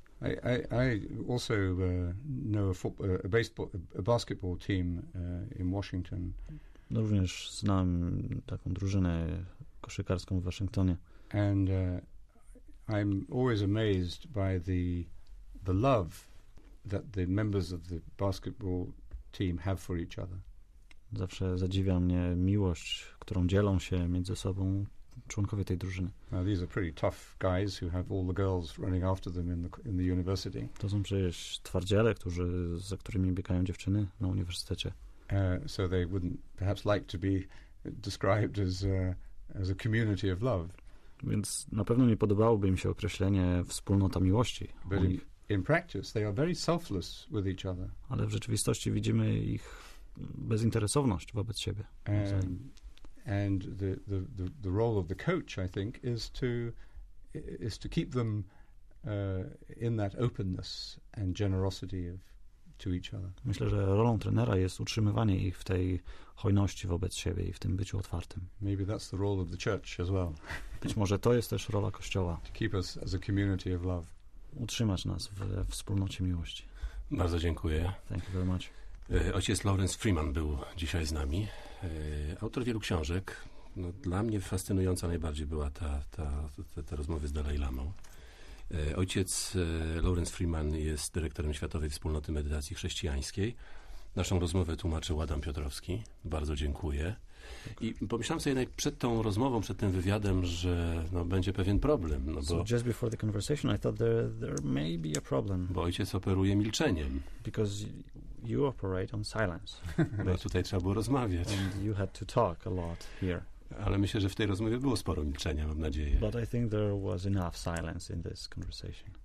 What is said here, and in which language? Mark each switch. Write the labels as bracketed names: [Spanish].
[English] I also know a basketball team in Washington. [Polish] No, również znam taką drużynę koszykarską w Waszyngtonie. [English] And I'm always amazed by the love that the members of the basketball team have for each other. [Polish] Zawsze zadziwia mnie miłość, którą dzielą się między sobą członkowie tej drużyny. [English] Now these are pretty tough guys who have all the girls running after them in the university. [Polish] To są przecież twardziele, za którymi biegają dziewczyny na uniwersytecie. [English] So they wouldn't perhaps like to be described as a community of love. [Polish] Więc na pewno nie podobałoby im się określenie wspólnota miłości. [English] But in practice they are very selfless with each other. [Polish] Ale w rzeczywistości widzimy ich bezinteresowność wobec siebie. [English] And the role of the coach, I think, is to keep them in that openness and generosity of to each other. [Polish] Myślę, że rolą trenera jest utrzymywanie ich w tej hojności wobec siebie i w tym byciu otwartym. [English] Maybe that's the role of the church as well. [Polish] Być może to jest też rola kościoła. [English] To keep us as a community of love. [Polish] Utrzymać nas w wspólnocie miłości. Bardzo dziękuję. [English] Thank you very much. [Polish] Ojciec Lawrence Freeman był dzisiaj z nami, autor wielu książek. No, dla mnie fascynująca najbardziej była te rozmowy z Dalai Lamą. Ojciec Lawrence Freeman jest dyrektorem Światowej Wspólnoty Medytacji Chrześcijańskiej. Naszą rozmowę tłumaczył Adam Piotrowski. Bardzo dziękuję. I pomyślałem sobie jednak przed tą rozmową, przed tym wywiadem, że no, będzie pewien problem. No bo, [English] so just before the conversation, I thought there may be a problem. [Polish] Bo ojciec operuje milczeniem. [English] Because you operate on silence. [Polish] No tutaj trzeba było rozmawiać. [English] And you had to talk a lot here. [Polish] Ale myślę, że w tej rozmowie było sporo milczenia, mam nadzieję. [English] But I think there was enough silence in this conversation.